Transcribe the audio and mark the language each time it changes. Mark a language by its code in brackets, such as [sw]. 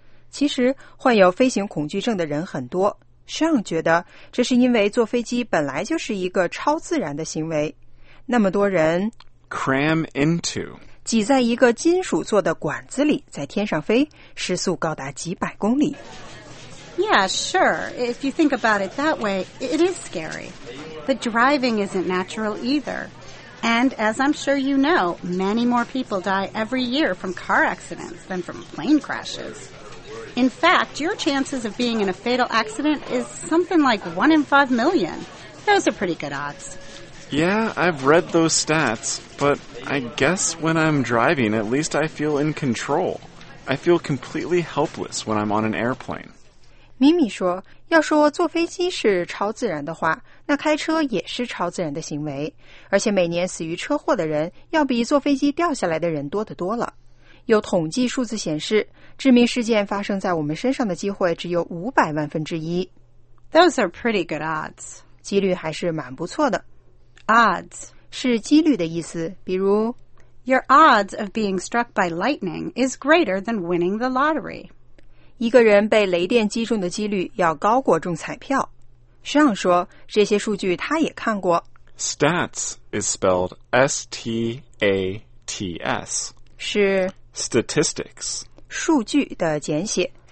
[zh] 其实患有飞行恐惧症的人很多。Sean 觉得这是因为坐飞机本来就是一个超自然的行为。那么多人 [en] Cram into... [zh] 挤在一个金属做的管子里在天上飞时速高达几百公里 [en] Yeah, sure. If you think about it that way, it is scary. The driving isn't natural either. And as I'm sure you know, many more people die every year from car accidents than from plane crashes. In fact, your chances of being in a fatal accident is something like 1 in 5 million. Those are pretty good odds. Yeah, I've read those stats, but I guess when I'm driving, at least I feel in control. I feel completely helpless when I'm on an airplane. [zh] Mimi 说，要说坐飞机是超自然的话，那开车也是超自然的行为，而且每年死于车祸的人要比坐飞机掉下来的人多得多了。有统计数字显示，致命事件发生在我们身上的机会只有500万分之一。 [en] Those are pretty good odds. [zh] 几率还是蛮不错的。 [en] Odds [zh] 是几率的意思，比如 [en] Your odds of being struck by lightning is greater than winning the lottery. [zh] 一个人被雷电击中的几率要高过中彩票。 Sean 说，这些数据他也看过。 [en] Stats is spelled S-T-A-T-S. [zh] 是 [en] Statistics. [zh] 数据的简写。